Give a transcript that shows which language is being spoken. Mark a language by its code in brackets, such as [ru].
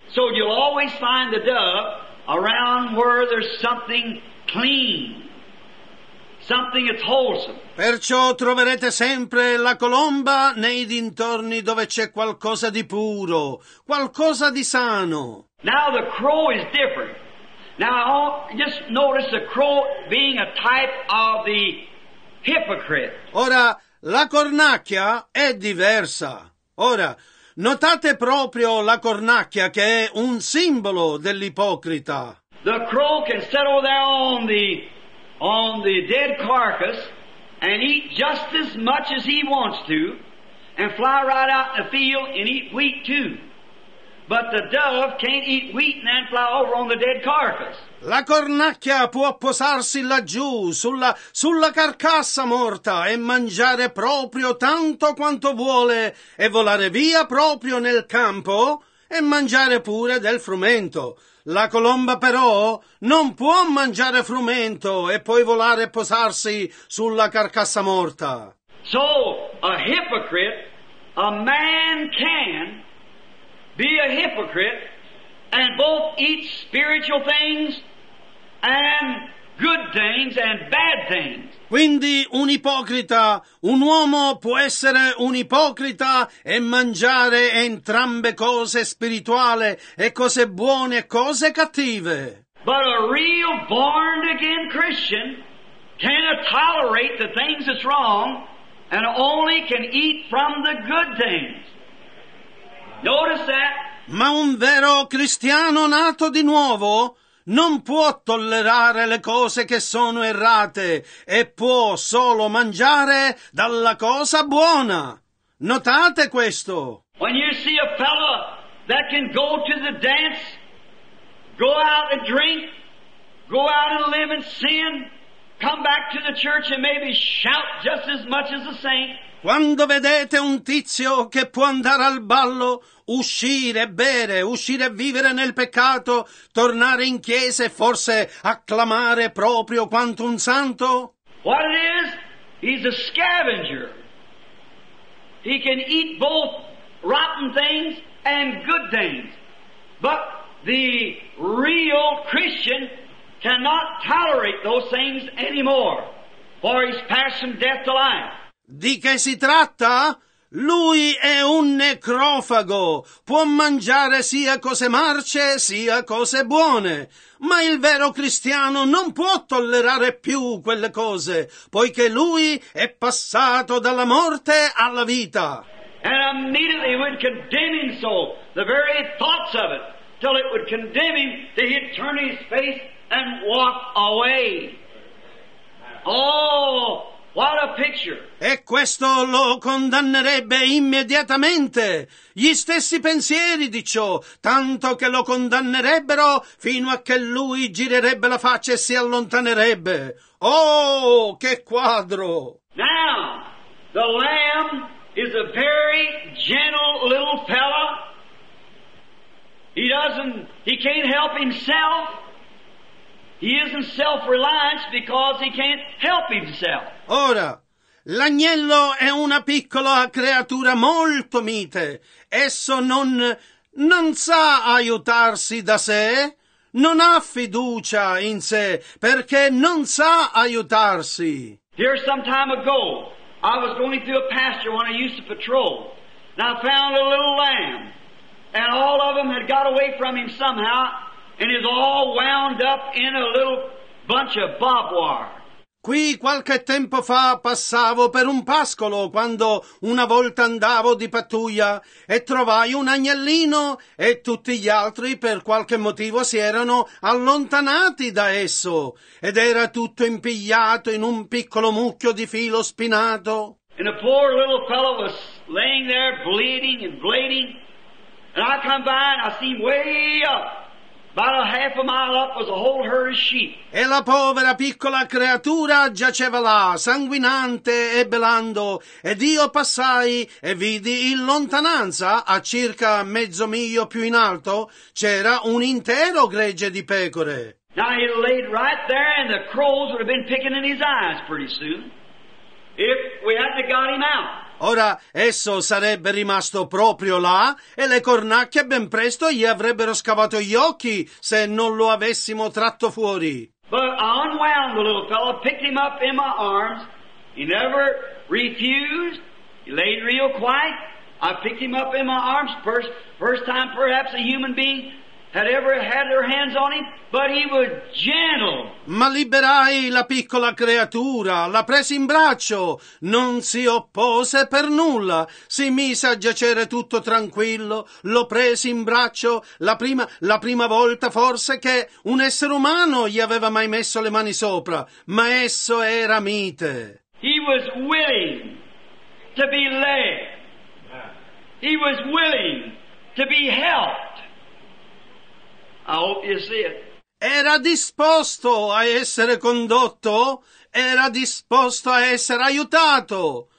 [en] So you'll always find the dove around where there's something clean. Something that's wholesome. [it] Perciò troverete sempre la colomba nei dintorni dove c'è qualcosa di puro, qualcosa di sano. [en] Now the crow is different. Now just notice the crow being a type of the hypocrite. [it] Ora la cornacchia è diversa. Ora notate proprio la cornacchia che è un simbolo dell'ipocrita. [en] The crow can settle there on the dead carcass and eat just as much as he wants to and fly right out in the field and eat wheat too. But the dove can't eat wheat and then fly over on the dead carcass. [it] La cornacchia può posarsi laggiù sulla carcassa morta e mangiare proprio tanto quanto vuole e volare via proprio nel campo e mangiare pure del frumento. La colomba però non può mangiare frumento e poi volare e posarsi sulla carcassa morta. [en] So, a hypocrite, a man can be a hypocrite and both eat spiritual things and good things and bad things. [it] Quindi un ipocrita, un uomo può essere un ipocrita e mangiare entrambe cose spirituali e cose buone e cose cattive. [en] But a real born again Christian can't tolerate the things that's wrong and only can eat from the good things. Notice that. [it] Ma un vero cristiano nato di nuovo non può tollerare le cose che sono errate e può solo mangiare dalla cosa buona. Notate questo. [en] When you see a fellow that can go to the dance, go out and drink, go out and live in sin, come back to the church and maybe shout just as much as the saint. [it] Quando vedete un tizio che può andare al ballo, uscire, bere, uscire e vivere nel peccato, tornare in chiesa e forse acclamare proprio quanto un santo? [en] What it is? He's a scavenger. He can eat both rotten things and good things. But the real Christian cannot tolerate those things anymore, for he's passed from death to life. [it] Di che si tratta? Lui è un necrofago, può mangiare sia cose marce sia cose buone, ma il vero cristiano non può tollerare più quelle cose, poiché lui è passato dalla morte alla vita. [en] And immediately would condemn him so, the very thoughts of it, till it would condemn him that he'd turn his face and walk away. Oh! What a picture! [it] E questo lo condannerebbe immediatamente. Gli stessi pensieri di ciò, tanto che lo condannerebbero fino a che lui girerebbe la faccia e si allontanerebbe. Oh, che quadro! [en] Now, the lamb is a very gentle little fella. He can't help himself. He isn't self-reliant because he can't help himself. [it] Ora, l'agnello è una piccola creatura molto mite. Esso non sa aiutarsi da sé, non ha fiducia in sé perché non sa aiutarsi. [en] Here some time ago, I was going through a pasture when I used to patrol, and I found a little lamb, and all of them had got away from him somehow. And is all wound up in a little bunch of barbed wire. [it] Qui qualche tempo fa passavo per un pascolo quando una volta andavo di pattuglia e trovai un agnellino e tutti gli altri per qualche motivo si erano allontanati da esso ed era tutto impigliato in un piccolo mucchio di filo spinato. [en] And a poor little fellow was laying there bleeding and bleeding, and I come by and I see him way up. About a half a mile up was a whole herd of sheep. [it] E la povera piccola creatura giaceva là, sanguinante e belando, ed io passai e vidi in lontananza, a circa mezzo miglio più in alto, c'era un intero gregge di pecore. [en] Now he laid right there and the crows would have been picking in his eyes pretty soon, if we hadn't got him out. [it] Ora esso sarebbe rimasto proprio là e le cornacchie ben presto gli avrebbero scavato gli occhi se non lo avessimo tratto fuori. [en] But I unwound the little fellow, picked him up in my arms. He never refused. He laid real quiet. I picked him up in my arms. First time perhaps a human being had ever had their hands on him, but he was gentle. [it] Ma liberai la piccola creatura, la presi in braccio, non si oppose per nulla, si mise a giacere tutto tranquillo, lo presi in braccio, la prima volta forse che un essere umano gli aveva mai messo le mani sopra, ma esso era mite. [en] He was willing to be led. He was willing to be helped. I hope you see it. [it] Era disposto a essere condotto, era disposto a essere aiutato.